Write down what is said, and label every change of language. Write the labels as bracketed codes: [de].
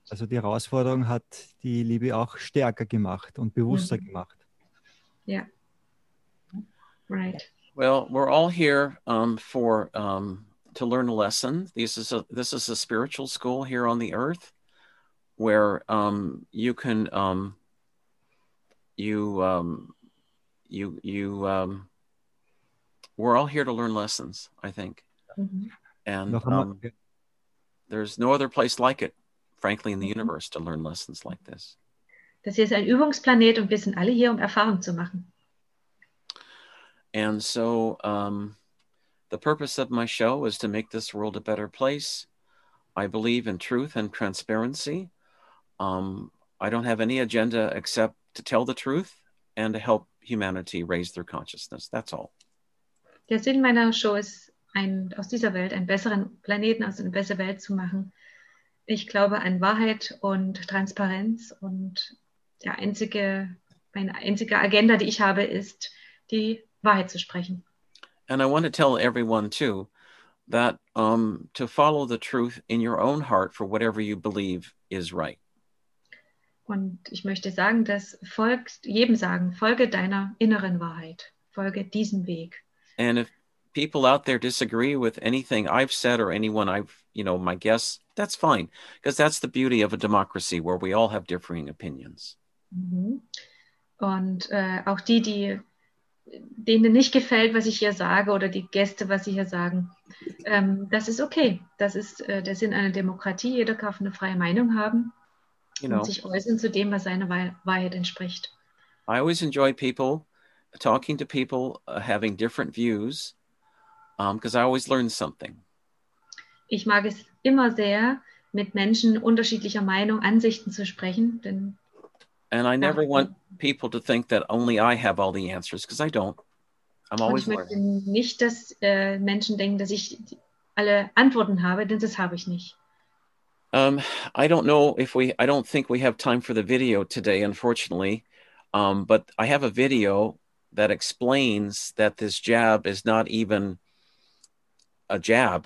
[de] Also die Herausforderung hat die Liebe auch stärker gemacht und bewusster gemacht. Ja. [en] Yeah. Right. Well, we're all here to learn a lesson. This is a spiritual school here on the earth where we're all here to learn lessons, I think. Mm-hmm. And there's no other place like it, frankly, in the universe to learn lessons like this. [de] Das hier ist ein Übungsplanet und wir sind alle hier, um Erfahrungen zu machen. [en] And so the purpose of my show is to make this world a better place. I believe in truth and transparency. I don't have any agenda except to tell the truth and to help humanity raise their consciousness. That's all. [de] Der Sinn meiner Show ist, aus dieser Welt einen besseren Planeten, also eine bessere Welt zu machen. Ich glaube an Wahrheit und Transparenz. Und meine einzige Agenda, die ich habe, ist die Wahrheit zu sprechen. [en] And I want to tell everyone too that to follow the truth in your own heart for whatever you believe is right. [de] Und ich möchte sagen, dass folge deiner inneren Wahrheit, folge diesem Weg. [en] And if people out there disagree with anything I've said or anyone I've, you know, my guests, that's fine, because that's the beauty of a democracy where we all have differing opinions. Mm-hmm. [de] Und auch die denen nicht gefällt, was ich hier sage oder die Gäste, was sie hier sagen. Das ist okay. Das ist der Sinn einer Demokratie. Jeder darf eine freie Meinung haben und sich äußern zu dem, was seiner Wahrheit entspricht. [en] I always enjoy people, talking to people, having different views, because I always learn something. [de] Ich mag es immer sehr, mit Menschen unterschiedlicher Meinung, Ansichten zu sprechen, denn [en] and I never want people to think that only I have all the answers, because I don't. I'm always learning. [de] Ich möchte nicht, dass Menschen denken, dass ich alle Antworten habe, denn das habe ich nicht. [en] I don't think we have time for the video today, unfortunately. But I have a video that explains that this jab is not even a jab.